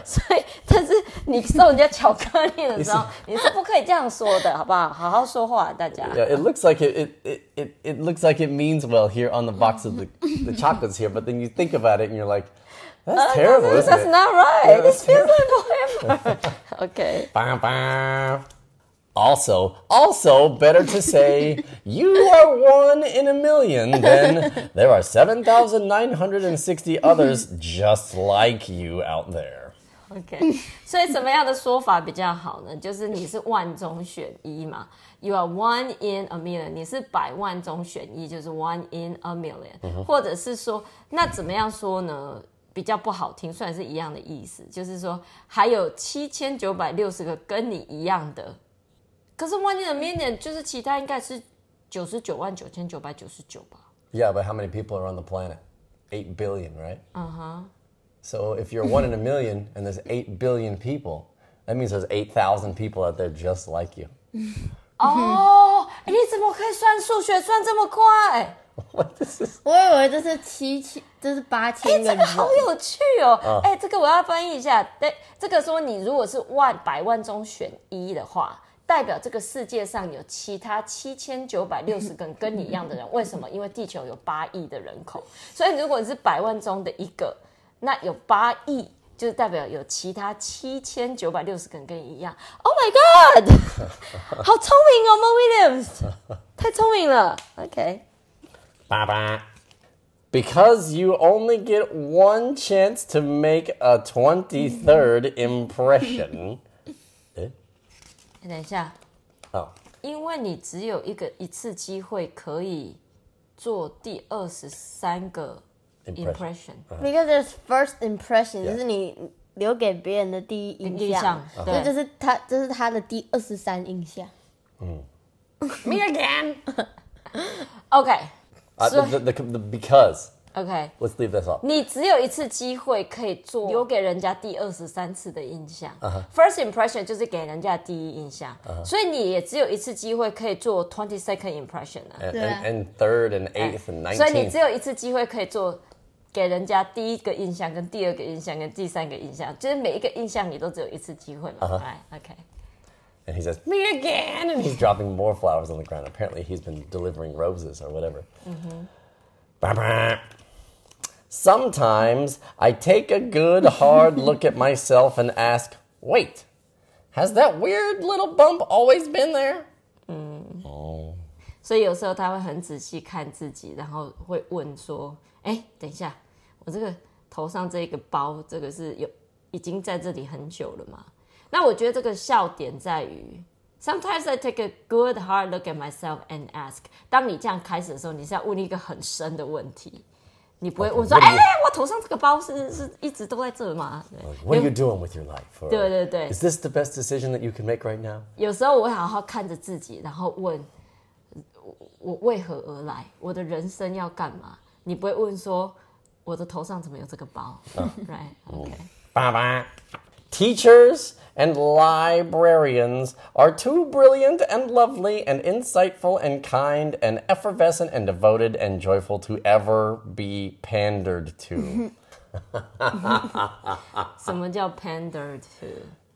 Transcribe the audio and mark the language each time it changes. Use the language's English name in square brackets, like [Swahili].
[Chinese] 所以但是你送人家巧克力的时候你是不可以这样说的，好不好？好好说话大家。 [English] Yeah, it looks like it looks like it means well here on the box of the chocolates here, but then you think about it and you're like, that's terrible, isn't that's it? That's not right. Yeah, this feels like forever. Okay. Bow, bow. Also, better to say, you are one in a million than there are 7,960 others just like you out there. Okay. [Chinese] 所以什么样的说法比较好呢？就是你是万中选一嘛。 [English] You are one in a million. [Chinese] 你是百万中选一，就是 [English] one in a million.、 [Chinese] 或者是说，那怎么样说呢？比较不好听，虽然是一样的意思，就是说还有7960个跟你一样的。可是 [English] one in a million [Chinese] 就是其他应该是99,999吧。 [English] Yeah, but how many people are on the planet? 8 billion, right? So if you're one in a million and there's 8 billion people, that means there's 8,000 people out there just like you. [Chinese] 哦，你怎么可以算数学算这么快？我以为这是8000 个人。这个好有趣哦！这个我要翻译一下。对，这个说你如果是百万中选一的话，代表这个世界上有其他7960个人跟你一样的人。为什么？因为地球有8亿的人口，所以如果你是百万中的一个，那有8亿。就代表有其他7960个人跟你一样。 [English] Oh my God! [Chinese] 好聪明哦 ,Mo Williams! 太聪明了 , [English] OK. [Chinese] 爸爸。 [English] Because you only get one chance to make a 23rd impression. [Chinese] 欸、等一下。因为你只有一次机会可以做第23个。 [English] Impression. Because there's first impression,、yeah. [Chinese] 就是你留给别人的第一印象。印象对，就是他，就是他的第23印象。 [English] Me again. Okay. The because. Okay. Let's leave this off. [Chinese] 你只有一次机会可以做留给人家第23次的印象。 [English] First impression [Chinese] 就是给人家第一印象。所以你也只有一次机会可以做 [English] 22nd impression. And third and eighth and 19th. [Chinese] 所以你只有一次机会可以做给人家第一个印象跟第二个印象跟第三个印象，就是每一个印象你都只有一次机会嘛。 [English] Okay. And he says, me again! And he's dropping more flowers on the ground. Apparently he's been delivering roses or whatever. Sometimes I take a good hard look at myself and ask, wait, has that weird little bump always been there? [Chinese] 所以有时候他会很仔细看自己，然后会问说，等一下，我这个头上这个包，这个是已经在这里很久了吗？那我觉得这个笑点在于 ， [English] Sometimes I take a good hard look at myself and ask。 [Chinese] 当你这样开始的时候，你是要问一个很深的问题，你不会问说，我头上这个包是一直都在这吗 [English] ？What are you doing with your life？ [Chinese] 对对对 [English] ，Is this the best decision that you can make right now？ [Chinese] 有时候我会好好看着自己，然后问我为何而来，我的人生要干嘛？你不会问说我的头上怎么有这个包、 [English] right? Okay. Bye bye. Teachers and librarians are too brilliant and lovely and insightful and kind and effervescent and devoted and joyful to ever be pandered to. [Chinese] 什么叫 pander to?